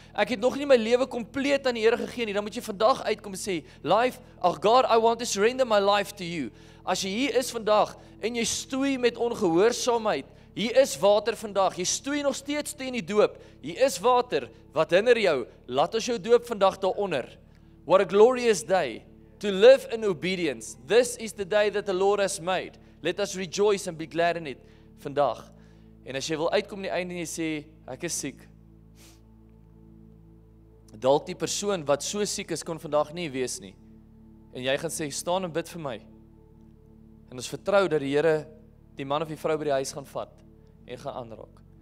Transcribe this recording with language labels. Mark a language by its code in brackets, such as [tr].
[af] Ek het nog nie my lewe compleet aan die Here gegee nie, dan moet jy vandag uitkom en sê, life, ach God, [en] I want to surrender my life to you. [af] As jy hier is vandag en jy stoei met ongehoorsaamheid, hier is water vandag, jy stoei nog steeds teen die doop, hier is water, wat hinder jou, laat ons jou doop vandag daaronder. [en] What a glorious day to live in obedience. This is the day that the Lord has made. Let us rejoice and be glad in it [af] vandag. En as jy wil uitkom in die einde en jy sê, ek is siek. Dalk die persoon wat so siek is, kon vandag nie wees nie. En jy gaan sê, staan en bid vir my. En ons vertrou dat die Here die man of die vrou by die huis gaan vat en gaan aanraak.